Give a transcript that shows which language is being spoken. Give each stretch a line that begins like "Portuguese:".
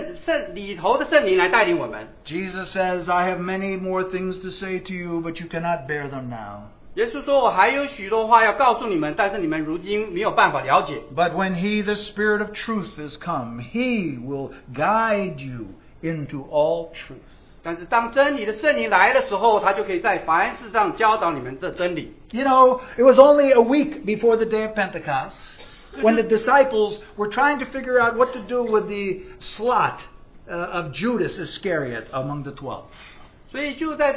Chinese: 所以神就带领人是借着这个圣里头的圣灵来带领我们。
English: Jesus says, I have many more things to say to you, but you cannot bear them now.
Chinese: 耶稣说我还有许多话要告诉你们，但是你们如今没有办法了解。
English: But when He, the Spirit of truth, is come, He will guide you into all truth.
Chinese: 但是当真理的圣灵来的时候，他就可以在凡事上教导你们这真理。
English: You know, it was only a week before the day of Pentecost when the disciples were trying to figure out what to do with the slot of Judas Iscariot among the 12.